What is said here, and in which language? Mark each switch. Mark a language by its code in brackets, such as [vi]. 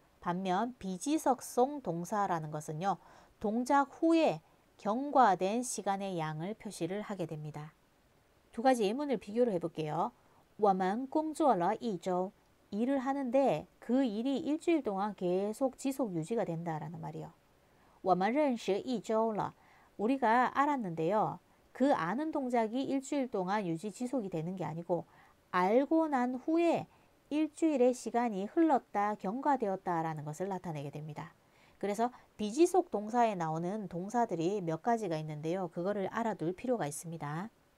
[ko] 반면 비지속성 동사라는 것은요, 동작 후에 경과된 시간의 양을 표시를 하게 됩니다. 두 가지 예문을 비교를 해볼게요. [zh] 我们工作了一周, [ko] 일을 하는데 그 일이 일주일 동안 계속 지속 유지가 된다라는 말이요. [zh] 我们认识一周了, [ko] 우리가 알았는데요. 그 아는 동작이 일주일 동안 유지 지속이 되는 게 아니고 알고 난 후에 일주일의 시간이 흘렀다, 경과되었다라는 것을 나타내게 됩니다. 그래서 비지속 동사에 나오는 동사들이 몇 가지가 있는데요. 그거를 알아둘 필요가 있습니다.